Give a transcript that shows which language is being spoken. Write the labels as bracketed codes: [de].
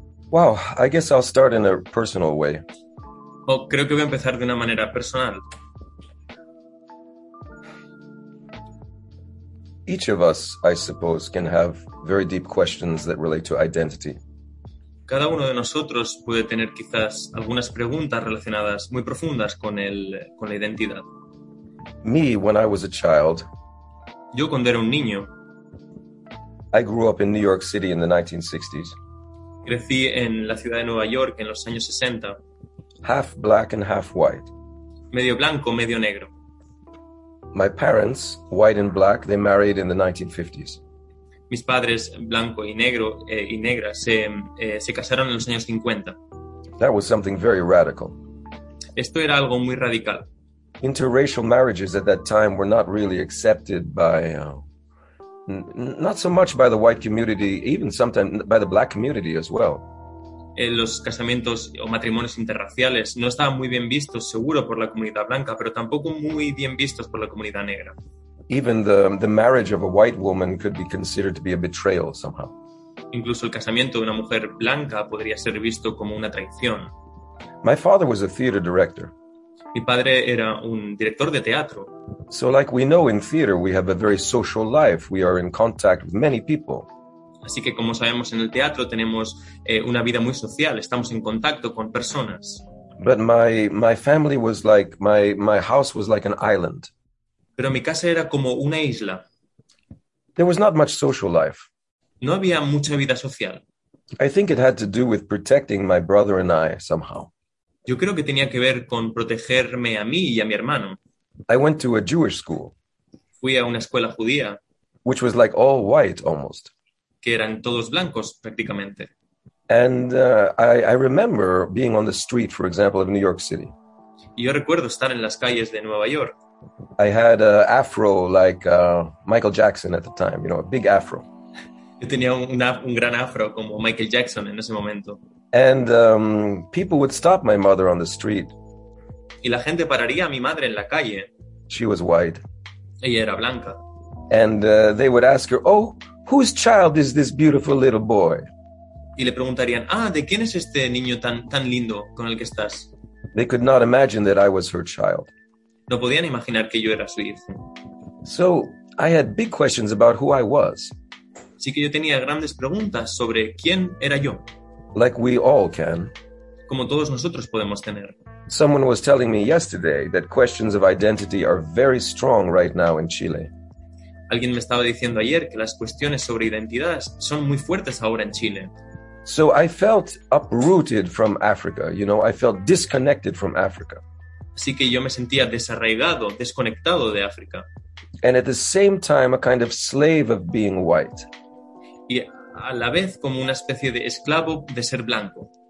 [en] Wow, I guess I'll start in a personal way. [es] Oh, creo que voy a empezar de una manera personal. [en] Each of us, I suppose, can have very deep questions that relate to identity. [es] Cada uno de nosotros puede tener quizás algunas preguntas relacionadas muy profundas con la identidad. [en] Me, when I was a child. [es] Yo cuando era un niño. [en] I grew up in New York City in the 1960s. [es] Crecí en la ciudad de Nueva York en los años 60. [en] Half black and half white. [es] Medio blanco, medio negro. [en] My parents, white and black, they married in the 1950s. [es] Mis padres, blanco y negro, y negra, se casaron en los años 50. [en] That was something very radical. [es] Esto era algo muy radical. [en] Interracial marriages at that time were not really accepted by... not so much by the white community, even sometimes by the black community as well. [es] Los casamientos o matrimonios interraciales no estaban muy bien vistos, seguro, por la comunidad blanca, pero tampoco muy bien vistos por la comunidad negra. [en] Even the marriage of a white woman could be considered to be a betrayal somehow. [es] Incluso el casamiento de una mujer blanca podría ser visto como una traición. [en] My father was a theater director. [es] Mi padre era un director de teatro. [en] So like we know in theater, we have a very social life. We are in contact with many people. [es] Así que como sabemos en el teatro tenemos una vida muy social, estamos en contacto con personas. [en] But my family was like my house was like an island. [es] Pero mi casa era como una isla. [en] There was not much social life. [es] No había mucha vida social. [en] I think it had to do with protecting my brother and I somehow. [es] Yo creo que tenía que ver con protegerme a mí y a mi hermano. [en] I went to a Jewish school. [es] Fui a una escuela judía. [en] Which was like all white almost. [es] Que eran todos blancos prácticamente. [en] And I remember being on the street, for example, of New York City. [es] Yo recuerdo estar en las calles de Nueva York. [en] I had an afro like Michael Jackson at the time, you know, a big afro. [es] Yo tenía un gran afro como Michael Jackson en ese momento. [en] And people would stop my mother on the street. [es] Y la gente pararía a mi madre en la calle. [en] She was white. [es] Ella era blanca. [en] And they would ask her, oh, whose child is this beautiful little boy? [es] Y le preguntarían, ah, ¿de quién es este niño tan, tan lindo con el que estás? [en] They could not imagine that I was her child. [es] No podían imaginar que yo era su hijo. [en] So I had big questions about who I was. [es] Así que yo tenía grandes preguntas sobre quién era yo. [en] Like we all can. [es] Como todos nosotros podemos tener. [en] Someone was telling me yesterday that questions of identity are very strong right now in Chile. [es] Alguien me estaba diciendo ayer que las cuestiones sobre identidad son muy fuertes ahora en Chile. [en] So I felt uprooted from Africa, you know, I felt disconnected from Africa. [es] Así que yo me sentía desarraigado, desconectado de África. [en] And at the same time a kind of slave of being white. [es] Y a la vez como una especie de esclavo de ser blanco.